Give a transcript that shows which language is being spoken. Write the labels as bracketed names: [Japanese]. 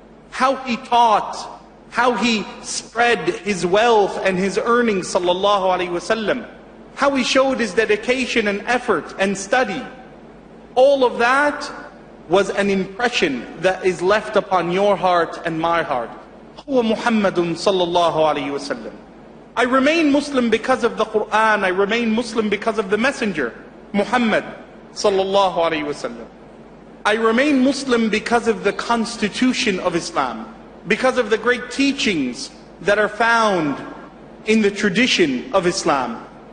[English] How he taught. How he spread his wealth and his earnings, sallallahu alaihi wasallam. How he showed his dedication and effort and study. All of that was an impression that is left upon your heart and my heart. [Arabic] هو محمد صلى الله عليه وسلم. [English] I remain Muslim because of the Quran. I remain Muslim because of the Messenger, Muhammad صلى الله عليه وسلم. I remain Muslim because of the constitution of Islam, because of the great teachings that are found in the tradition of Islam.